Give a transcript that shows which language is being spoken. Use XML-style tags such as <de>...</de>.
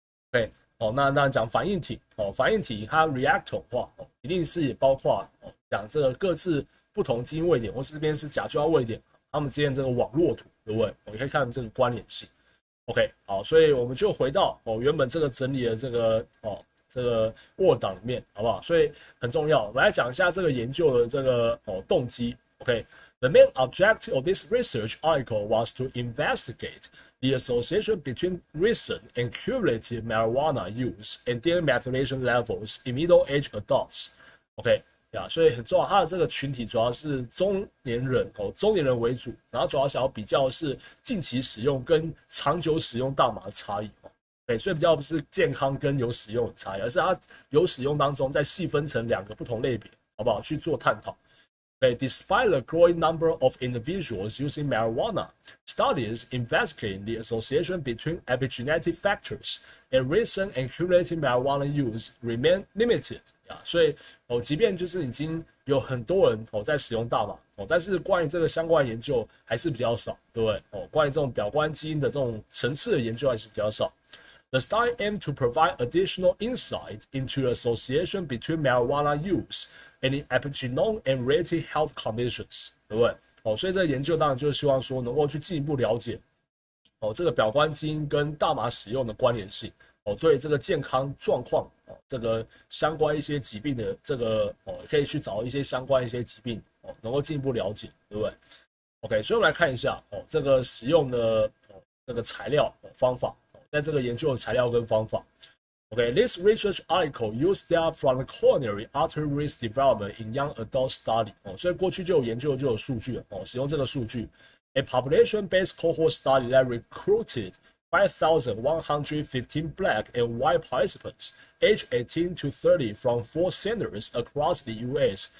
<zh>对，哦，那讲反应体，哦，反应体它 reactome 化，哦，一定是也包括哦讲这个各自不同基因位点，或是这边是甲基化位点，它们之间这个网络图，对不对？我们可以看这个关联性。OK，好，所以我们就回到哦原本这个整理的这个哦这个 Word 档里面，好不好？所以很重要，我们来讲一下这个研究的这个哦动机。</zh> <en>OK，the main objective of this research article was to investigate the association between recent and cumulative marijuana use and DNA methylation levels in middle-aged adults。 OK。</en> <zh>呀，所以很重要，它的这个群体主要是中年人哦，中年人为主，然后主要想要比较是近期使用跟长久使用大麻的差异哦，对，所以比较不是健康跟有使用的差异，而是它有使用当中再细分成两个不同类别，好不好？去做探讨。</zh> <en>对，despite the growing number of individuals using marijuana, studies investigating the association between epigenetic factors and recent and cumulative marijuana use remain limited.</en> <zh>所以哦，即便就是已经有很多人哦在使用大麻哦，但是关于这个相关研究还是比较少，对不对？哦，关于这种表观基因的这种层次的研究还是比较少。</zh> <en>The study aimed to provide additional insight into the association between marijuana use any epigenome and related health conditions，</en> <zh>对不对？哦，所以这个研究当然就是希望说能够去进一步了解，哦，这个表观基因跟大麻使用的关联性，哦，对这个健康状况，哦，这个相关一些疾病的这个，哦，可以去找一些相关一些疾病，哦，能够进一步了解，对不对？OK，所以我们来看一下，哦，这个使用的，哦，这个材料，哦，方法，哦，在这个研究的材料跟方法。</zh> <en>OK，this research article used data from the coronary artery risk development in young adult study。</en> <zh>哦，所以过去就有研究，就有数据哦，使用这个数据。</zh> <en>A population-based cohort study that recruited 5,115 Black and White participants, aged 18 to 30, from four centers across the U.S.</en>